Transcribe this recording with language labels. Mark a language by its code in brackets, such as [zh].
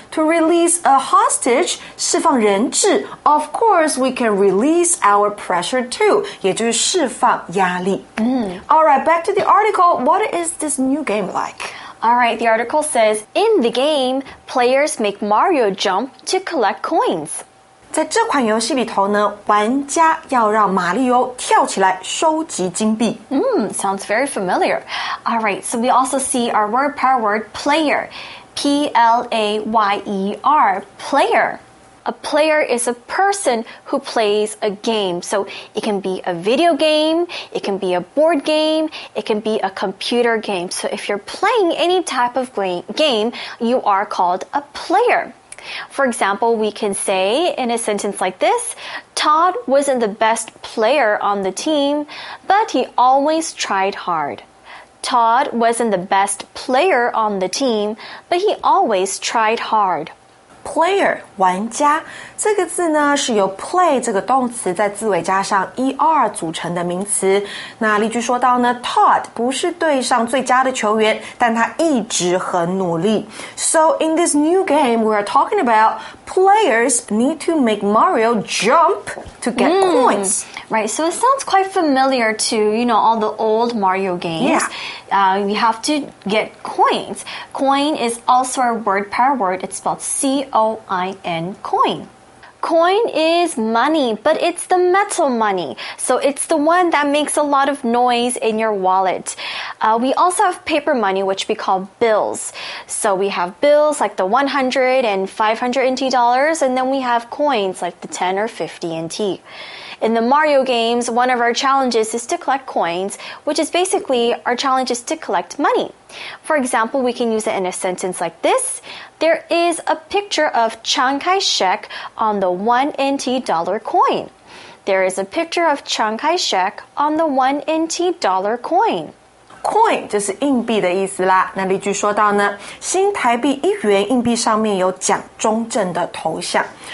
[en] To release a hostage， [zh] 释放人质。 [en] Of course, we can release our pressure. Too, [zh] 也就是释放压力。 [en] All right, back to the article. What is this new game like? All right, the article says, in the game, players make Mario jump to collect coins. [zh] 在这款游戏里头呢，玩家要让马里欧跳起来收集金币。 [en] Mm, sounds very familiar. Alright, so we also see our word par word player. P-L-A-Y-E-R, player. A player is a person who plays a game. So it can be a video game, it can be a board game, it can be a computer game. So if you're playing any type of game, you are called a player. For example, we can say in a sentence like this, Todd wasn't the best player on the team, but he always tried hard. Todd wasn't the best player on the team, but he always tried hard. [zh] Player, 玩家这个字呢是由 play 这个动词在字尾加上 er 组成的名词。那例句说到呢 Todd 不是队上最佳的球员但他一直很努力。 [en] So in this new game we are talking about, players need to make Mario jump to get points. Right, so it sounds quite familiar to, you know, all the old Mario games. Yeah. You have to get coins. Coin is also a word pair word. It's spelled C-O-I-N, coin. Coin is money, but it's the metal money. So it's the one that makes a lot of noise in your wallet. We also have paper money, which we call bills. So we have bills like the 100 and 500 NT dollars, and then we have coins like the 10 or 50 NT. In the Mario games, one of our challenges is to collect coins, which is basically our challenge is to collect money. For example, we can use it in a sentence like this. There is a picture of Chiang Kai-shek on the 1 NT dollar coin. There is a picture of Chiang Kai-shek on the 1 NT dollar coin. [zh] Coin 就是硬币的意思啦。那例句说到呢，新台币一元硬币上面有蒋中正的头像。